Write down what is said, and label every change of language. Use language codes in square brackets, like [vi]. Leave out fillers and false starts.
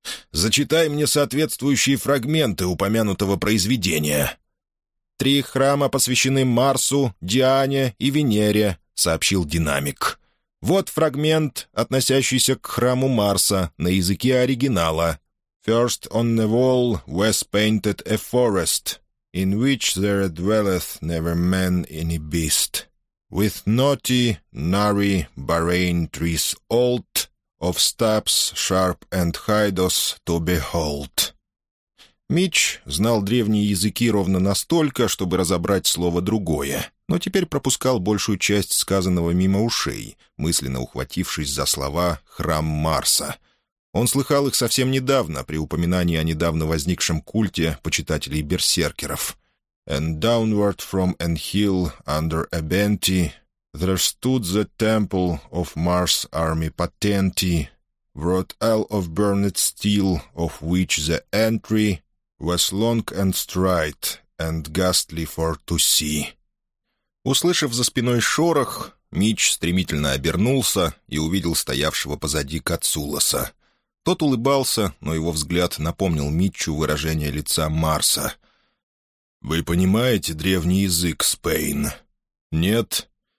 [ru] «Зачитай мне соответствующие фрагменты упомянутого произведения». «Три храма посвящены Марсу, Диане и Венере», — сообщил динамик. «Вот фрагмент, относящийся к храму Марса на языке оригинала. [enm] First on the wall was painted a forest, in which there dwelleth never man any beast, with knotty, gnarly, barren trees old, of stubs sharp and hideous to behold». [ru] Митч знал древние языки ровно настолько, чтобы разобрать слово «другое», но теперь пропускал большую часть сказанного мимо ушей, мысленно ухватившись за слова «храм Марса». Он слыхал их совсем недавно при упоминании о недавно возникшем культе почитателей берсеркеров. [enm] «And downward from an hill under a benti, there stood the temple of Mars army patenti, wrought all of burned steel, of which the entry was long and straight and ghastly for to see». [ru] Услышав за спиной шорох, Митч стремительно обернулся и увидел стоявшего позади Кацулоса. Тот улыбался, но его взгляд напомнил Митчу выражение лица Марса. «Вы понимаете древний язык, Спейн?» «Нет?